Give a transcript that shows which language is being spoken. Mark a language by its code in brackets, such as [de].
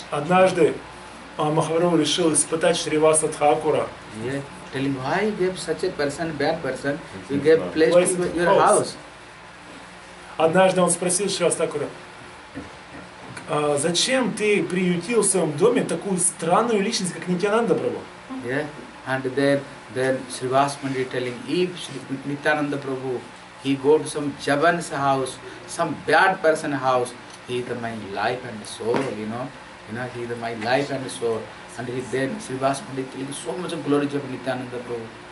[ru] Однажды Махапрабху решил испытать Шриваса Тхакура. [en] Yeah. Telling why you gave such a person, bad person, you gave place to your house. [ru] Однажды он спросил Шриваса Тхакура, зачем ты приютил в своем доме такую странную личность, как Нитянанда Прабху? [en] Yeah. And then Sribas Pandit telling, if Nitananda Prabhu, he go to some Javan's house, some bad person house, he is my life and soul, you know, he is my life and soul. And he then, Sribas Pandit telling so much of glory of Nitananda Prabhu.